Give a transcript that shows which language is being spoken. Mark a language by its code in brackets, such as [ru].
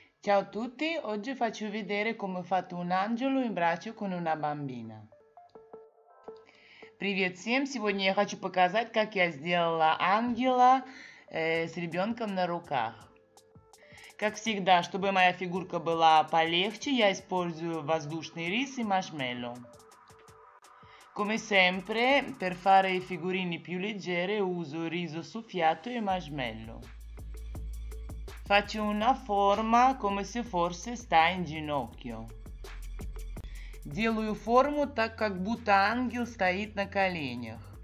[it] Ciao a tutti, oggi faccio vedere come ho fatto un angelo in braccio con una bambina. [ru] Привет всем! Сегодня я хочу показать, как я сделала ангела с ребенком на руках. Как всегда, чтобы моя фигурка была полегче, я использую воздушный рис и маршмеллоу. [it] Come sempre, per fare i figurini più leggere, uso riso soffiato e marshmallow. Faccio una forma come se forse sta in ginocchio. [ru] Делаю форму так, как будто ангел стоит на коленях.